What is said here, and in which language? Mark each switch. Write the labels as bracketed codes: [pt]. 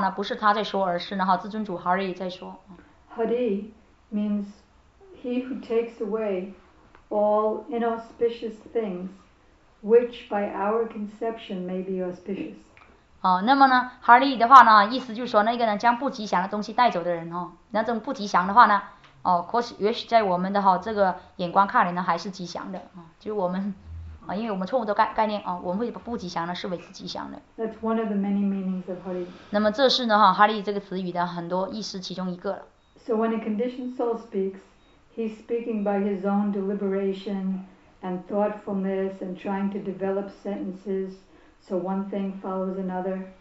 [zh] 所以呢，这样一位纯粹奉献的讲经的时候的话呢，不是他在说，而是呢自尊主 Hari 在说。 [en] Hari means he who takes away all inauspicious things, which by our conception may be auspicious. [zh] 那么呢 ，Hari 的话呢，意思就是说那个人将不吉祥的东西带走的人哦，那这种不吉祥的话呢，或许在我们的这个眼光看来呢，还是吉祥的，就是我们，因为我们错误的概念，我们会把不吉祥的视为是吉祥的。 [en] That's one of the many meanings of Hari. [zh] 那么这是呢，Hari 这个词语的很多意思其中一个了。 [en] So when a conditioned soul speaks, he's speaking by his own deliberation and thoughtfulness and trying to develop sentences so one thing follows another.